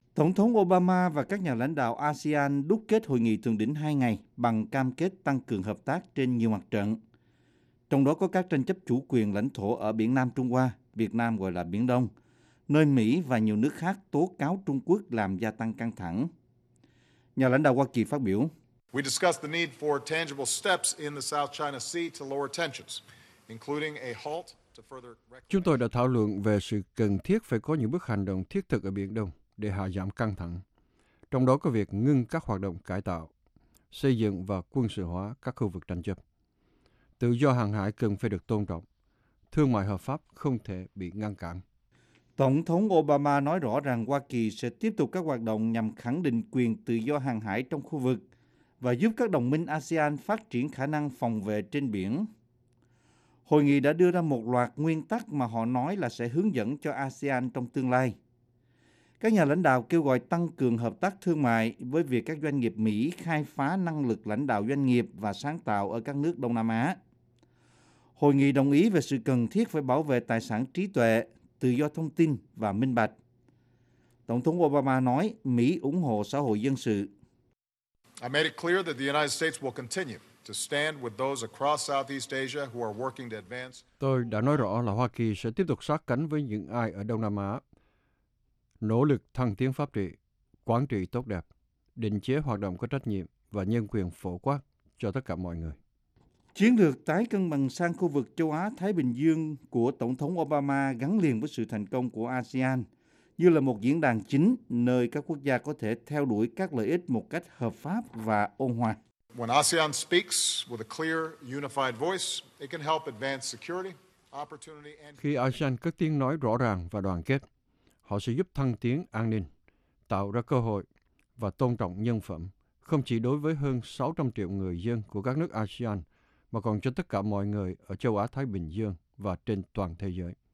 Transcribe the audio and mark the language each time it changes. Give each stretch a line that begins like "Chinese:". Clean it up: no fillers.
Vietnamese: Tổng thống Obama và các nhà lãnh đạo ASEAN đúc kết hội nghị thượng đỉnh 2 ngày bằng cam kết tăng cường hợp tác trên nhiều mặt trận. Trong đó có các tranh chấp chủ quyền lãnh thổ ở Biển Nam Trung Hoa, Việt Nam gọi là Biển Đông, nơi Mỹ và nhiều nước khác tố cáo Trung Quốc làm gia tăng căng thẳng. Nhà lãnh đạo Hoa Kỳ phát biểu,
English: "We discussed the need for tangible steps in the South China Sea to lower tensions, including a halt to further."
Vietnamese: Chúng tôi đã thảo luận về sự cần thiết phải có những bước hành động thiết thực ở Biển Đông để hạ giảm căng thẳng, trong đó có việc ngưng các hoạt động cải tạo, xây dựng và quân sự hóa các khu vực tranh chấp. Tự do hàng hải cần phải được tôn trọng, thương mại hợp pháp không thể bị ngăn cản. Tổng thống Obama nói rõ rằng Hoa Kỳ sẽ tiếp tục các hoạt động nhằm khẳng định quyền tự do hàng hải trong khu vực và giúp các đồng minh ASEAN phát triển khả năng phòng vệ trên biển. Hội nghị đã đưa ra một loạt nguyên tắc mà họ nói là sẽ hướng dẫn cho ASEAN trong tương lai. Các nhà lãnh đạo kêu gọi tăng cường hợp tác thương mại với việc các doanh nghiệp Mỹ khai phá năng lực lãnh đạo doanh nghiệp và sáng tạo ở các nước Đông Nam Á. Hội nghị đồng ý về sự cần thiết phải bảo vệ tài sản trí tuệ, tự do thông tin và minh bạch. Tổng thống Obama nói Mỹ ủng hộ xã hội dân sự.
English: I made it clear that the United States will continue to stand with those across Southeast Asia who are working to advance.
Vietnamese: Tôi đã nói rõ là Hoa Kỳ sẽ tiếp tục sát cánh với những ai ở Đông Nam Á nỗ lực thăng tiến pháp trị, quản trị tốt đẹp, định chế hoạt động có trách nhiệm và nhân quyền phổ quát cho tất cả mọi người. Chiến lược tái cân bằng sang khu vực châu Á-Thái Bình Dương của Tổng thống Obama gắn liền với sự thành công của ASEAN như là một diễn đàn chính nơi các quốc gia có thể theo đuổi các lợi ích một cách hợp pháp và ôn hòa.
English: When ASEAN speaks with a clear, unified voice, it can help advance security, opportunity and...
Vietnamese: Khi ASEAN có tiếng nói rõ ràng và đoàn kết, họ sẽ giúp thăng tiến an ninh, tạo ra cơ hội và tôn trọng nhân phẩm, không chỉ đối với hơn 600 triệu người dân của các nước ASEAN, mà còn cho tất cả mọi người ở châu Á-Thái Bình Dương và trên toàn thế giới.